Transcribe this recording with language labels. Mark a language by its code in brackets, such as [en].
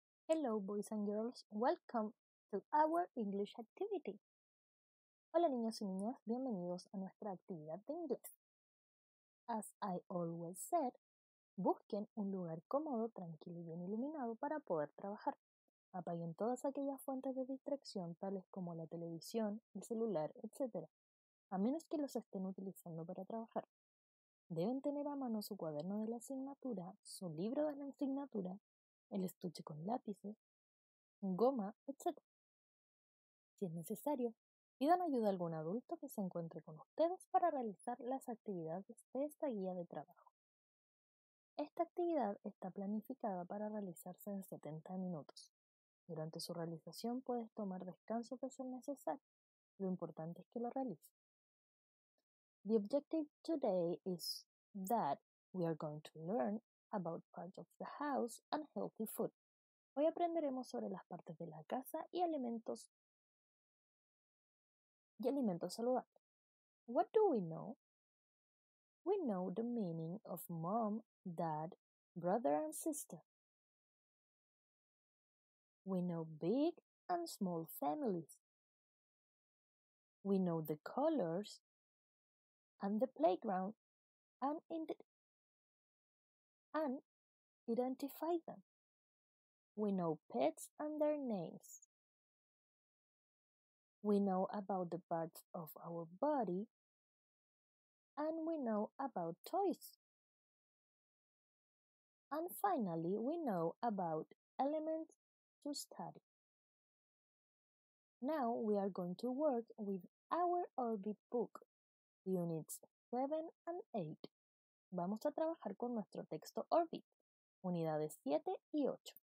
[en] Hello, boys and girls, welcome to our English activity. [es] Hola, niños y niñas, bienvenidos a nuestra actividad de inglés. [en] As I always said, [es] busquen un lugar cómodo, tranquilo y bien iluminado para poder trabajar. Apaguen todas aquellas fuentes de distracción, tales como la televisión, el celular, etc., a menos que los estén utilizando para trabajar. Deben tener a mano su cuaderno de la asignatura, su libro de la asignatura, el estuche con lápices, goma, etc. Si es necesario, pidan ayuda a algún adulto que se encuentre con ustedes para realizar las actividades de esta guía de trabajo. Esta actividad está planificada para realizarse en 70 minutos. Durante su realización puedes tomar descanso que sea necesario. Lo importante es que lo realices. [en] The objective today is that we are going to learn about parts of the house and healthy food. [es] Hoy aprenderemos sobre las partes de la casa y alimentos saludables. [en] What do we know? We know the meaning of mom, dad, brother and sister. We know big and small families. We know the colors and the playground and identify them. We know pets and their names. We know about the parts of our body. And we know about toys. And finally, we know about elements to study. Now we are going to work with our Orbit book, units 7 and 8. [es] Vamos a trabajar con nuestro texto Orbit, unidades 7 y 8.